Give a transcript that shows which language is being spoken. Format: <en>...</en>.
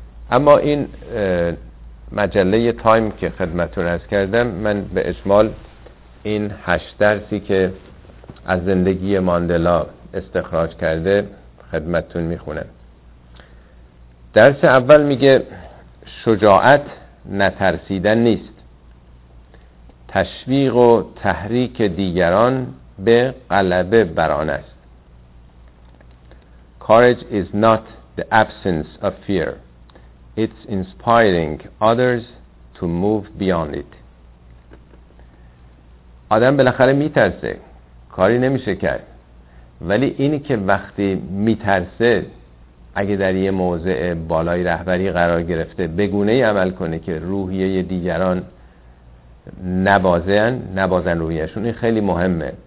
<fa>اما این مجله تایم که خدمتون عرض کردم، من به اجمال این 8 درسی که از زندگی ماندلا استخراج کرده خدمتون میخونم. درس اول میگه شجاعت نترسیدن نیست، تشویق و تحریک دیگران به غلبه بر آن است.</fa> <en>Courage is not the absence of fear, it's inspiring others to move beyond it.</en> <fa>آدم بالاخره میترسه، کاری نمیشه کرد، ولی اینی که وقتی میترسه، اگه در یه موضع بالای رهبری قرار گرفته، به گونه ای عمل کنه که روحیه دیگران نبازن روحیشون، این خیلی مهمه.</fa>